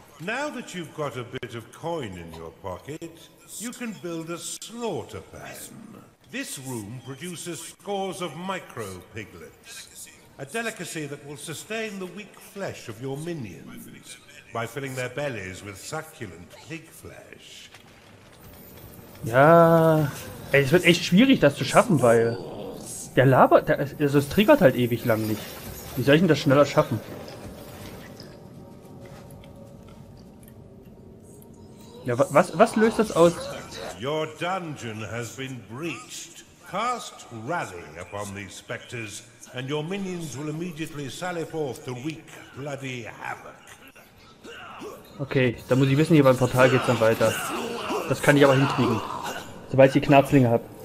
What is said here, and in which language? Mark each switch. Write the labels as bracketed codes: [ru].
[en] Now that you've got a bit of coin in your pocket, you can build a slaughter pen. This room produces scores of micro piglets, a delicacy that will sustain the weak flesh of your minions by filling their bellies with succulent pig flesh. [de] Ja, ey, es wird echt schwierig, das zu schaffen, weil der labert, es triggert halt ewig lang nicht. Wie soll ich denn das schneller schaffen? Ja, was löst das aus? [en] Your dungeon has been breached. Cast Rally upon these specters and your minions will immediately sally forth to wreak bloody havoc. [de] Okay, da muss ich wissen, hier beim Portal geht's dann weiter. Das kann ich aber hinkriegen, sobald ich die Knarzlinge habe.